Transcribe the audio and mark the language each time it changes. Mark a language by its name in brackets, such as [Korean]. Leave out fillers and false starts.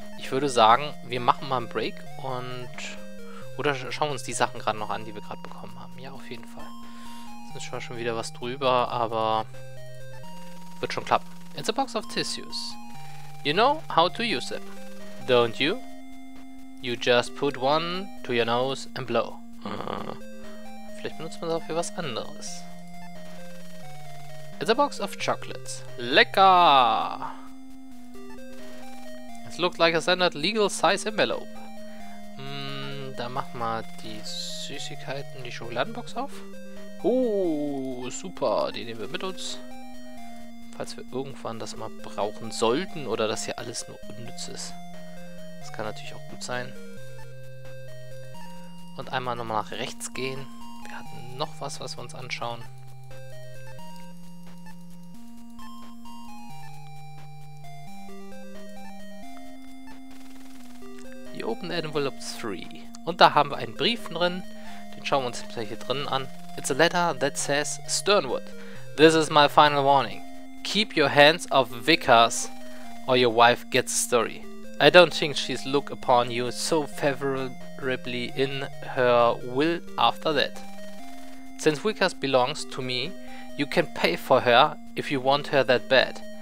[German] würde sagen, wir machen mal einen Break und... Oder schauen wir uns die Sachen gerade noch an, die wir gerade bekommen haben. Ja, auf jeden Fall. Es ist zwar schon wieder was drüber, aber... Wird schon klappen. [English] It's a box of tissues. You know how to use them, don't you? You just put one to your nose and blow. [German] Vielleicht benutzt man es auch für was anderes. [English] It's a box of chocolates. [German] Lecker! [English] It looks like a standard legal size envelope. [German] Da machen wir die Süßigkeiten, die Schokoladenbox auf. Oh, super, die nehmen wir mit uns. Falls wir irgendwann das mal brauchen sollten oder das hier alles nur unnütz ist. Das kann natürlich auch gut sein. Und einmal nochmal nach rechts gehen. Wir hatten noch was, was wir uns anschauen. [English] The Open Envelope 3. [German] Und da haben wir einen Brief drin. Den schauen wir uns jetzt hier drinnen an. [English] It's a letter that says, Sternwood, this is my final warning. Keep your hands off Vickers or your wife gets a story. I don't think she's look upon you so favorably in her will after that. Since Vickers belongs to me, you can pay for her if you want her that bad.